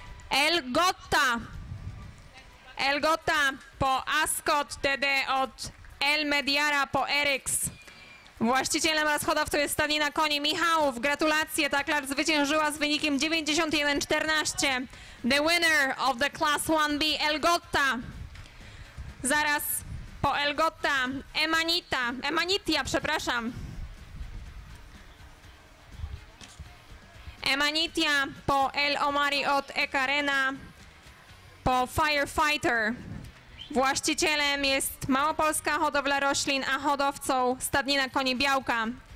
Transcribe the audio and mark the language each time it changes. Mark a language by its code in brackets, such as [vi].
[pl] El Gotta. El Gotta po Ascot TD od El Mediara po Eryks. Właścicielem oraz hodowcą jest Stanina Koni Michałów. Gratulacje, ta klacz zwyciężyła z wynikiem 91-14. [en] The winner of the Class 1B, El Gotta. [pl] Zaraz po El Gotta, Emanita, Emanitia, przepraszam. Emanitia po El Omari od Ekarena, po Firefighter. Właścicielem jest Małopolska Hodowla Roślin, a hodowcą stadnina koni Białka.